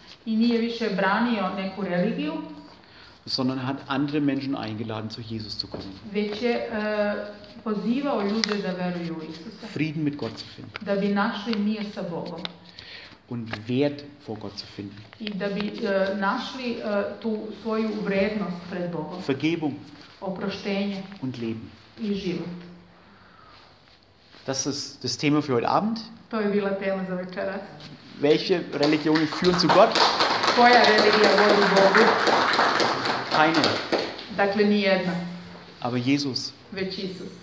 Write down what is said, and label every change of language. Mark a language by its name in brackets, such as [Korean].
[Serbian] I nije više branio neku religiju, [German] sondern hat andere Menschen eingeladen, zu Jesus zu kommen. [Serbian] Već je pozivao ljude da veruju u Isusa. [German] Frieden mit Gott zu finden. [Serbian] Da bi našli mir sa Bogom. [German] Und Wert vor Gott zu finden. [Serbian] I da bi našli tu svoju vrednost pred Bogom. [German] Vergebung. [Serbian] Oproštenje. [German] Und Leben. [Serbian] I život. [German] Das ist das Thema für heute Abend. [Serbian] To je bila tema za večeras. [German] Welche Religion führt zu Gott? [Serbian] Koja religija vodi Bogu? [German] Keine. [Serbian] Dakle, nijedna. [German] Aber Jesus. [Serbian] Već Isus.